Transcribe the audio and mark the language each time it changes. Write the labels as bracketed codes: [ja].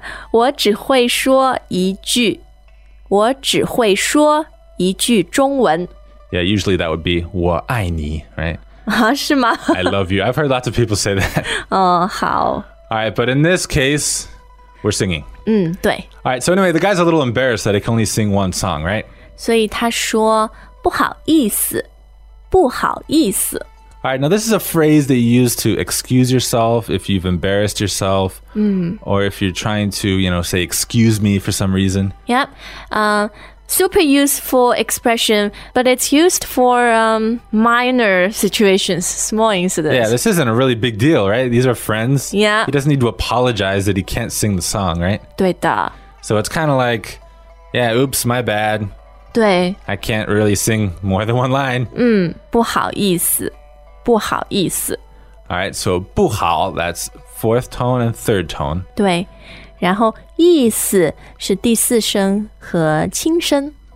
[zh] 我只会说一句.我只会说一句. 一句中文. [en] Yeah, usually that would be [zh] 我爱你, [en] right? [zh] 啊, 是吗? [en] I love you. I've heard lots of people say that. [zh] 哦,好. [en] All right, but in this case, we're singing. [zh] 对. [en] All right, so anyway, the guy's a little embarrassed that he can only sing one song, right? [zh] 所以他说,不好意思,不好意思. [en] All right, now this is a phrase that you use to excuse yourself if you've embarrassed yourself, or if you're trying to, you know, say excuse me for some reason. Yep. super useful expression, but it's used for minor situations, small incidents. Yeah, this isn't a really big deal, right? These are friends. Yeah. He doesn't need to apologize that he can't sing the song, right? [zh] 对的。 [en] So it's kind of like, yeah, oops, my bad. [zh] 对。 [en] I can't really sing more than one line. [zh] 不好意思。不好意思。 [en] All right, so 不好, that's fourth tone and third tone. [zh] 对。然后意思是第四声和轻声。